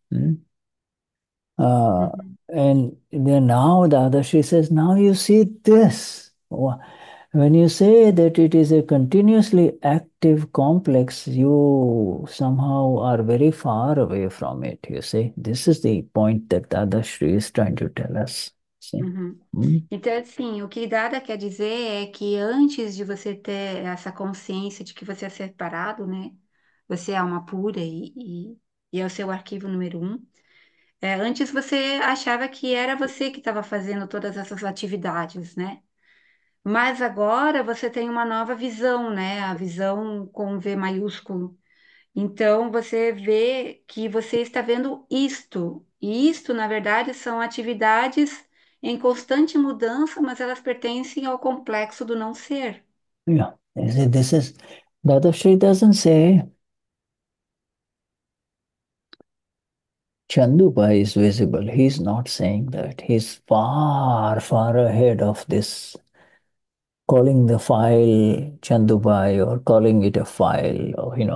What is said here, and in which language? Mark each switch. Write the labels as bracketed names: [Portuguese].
[English] And then now the other, she says, now you see this. When you say that it is a continuously active complex, you somehow are very far away from it, you see. This is the point that Dadashri is trying to tell us. See? [Portuguese] Então, assim, o que Dada quer dizer é que antes de você ter essa consciência de que você é separado, né? Você é alma pura e é o seu arquivo número um. É, antes você achava que era você que estava fazendo todas essas atividades, né? Mas agora você tem uma nova visão, né? A visão com V maiúsculo. Então você vê que você está vendo isto. E isto, na verdade, são atividades em constante mudança, mas elas pertencem ao complexo do não ser. [English] Yeah, this is Dadashri doesn't say Chandupa is visible. He's not saying that. He's far, far ahead of this calling the file Chandupa or calling it a file.